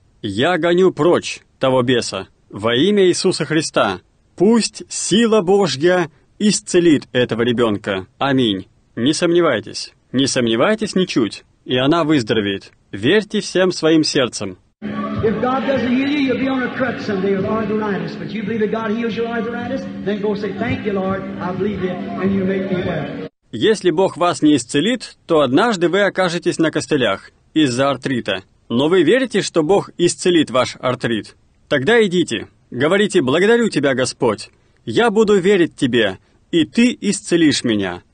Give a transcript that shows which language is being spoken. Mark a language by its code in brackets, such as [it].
[ru] Я гоню прочь того беса во имя Иисуса Христа. Пусть сила Божья исцелит этого ребенка. Аминь. Не сомневайтесь. Не сомневайтесь ничуть. И она выздоровеет. Верьте всем своим сердцем. [en] If God doesn't heal you, you'll be on a crutch someday with arthritis. But you believe that God heals your arthritis? Then go say, thank you, Lord, I believe you, and you make me well. [ru] Если Бог вас не исцелит, то однажды вы окажетесь на костылях из-за артрита. Но вы верите, что Бог исцелит ваш артрит? Тогда идите, говорите, благодарю тебя, Господь. Я буду верить тебе, и ты исцелишь меня.